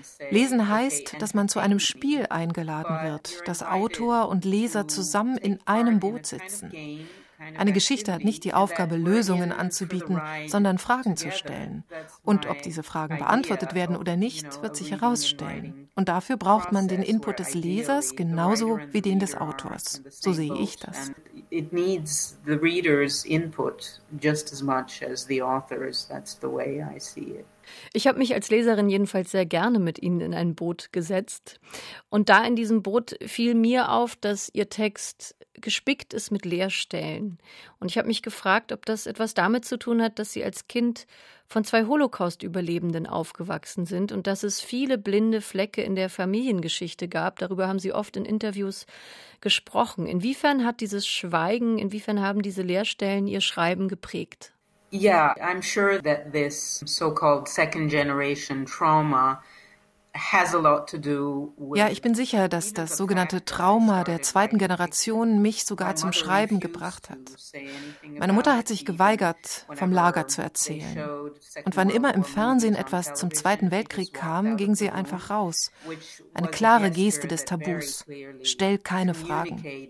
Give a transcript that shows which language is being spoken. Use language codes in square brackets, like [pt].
[de] Lesen heißt, dass man zu einem Spiel eingeladen wird, dass Autor und Leser zusammen in einem Boot sitzen. Eine Geschichte hat nicht die Aufgabe, Lösungen anzubieten, sondern Fragen zu stellen. Und ob diese Fragen beantwortet werden oder nicht, wird sich herausstellen. Und dafür braucht man den Input des Lesers genauso wie den des Autors. So sehe ich das. [en] It needs the reader's input just as much as the author's. That's the way I see it. [de] Ich habe mich als Leserin jedenfalls sehr gerne mit Ihnen in ein Boot gesetzt. Und da in diesem Boot fiel mir auf, dass Ihr Text gespickt ist mit Leerstellen. Und ich habe mich gefragt, ob das etwas damit zu tun hat, dass Sie als Kind von zwei Holocaust-Überlebenden aufgewachsen sind und dass es viele blinde Flecke in der Familiengeschichte gab. Darüber haben Sie oft in Interviews gesprochen. Inwiefern hat dieses Schweigen, inwiefern haben diese Leerstellen Ihr Schreiben geprägt? [en] Yeah, I'm sure that this so-called second generation trauma has a lot to do with. [de] Ja, ich bin sicher, dass das sogenannte Trauma der zweiten Generation mich sogar zum Schreiben gebracht hat. Meine Mutter hat sich geweigert, vom Lager zu erzählen. Und wann immer im Fernsehen etwas zum Zweiten Weltkrieg kam, ging sie einfach raus. Eine klare Geste des Tabus. Stell keine Fragen.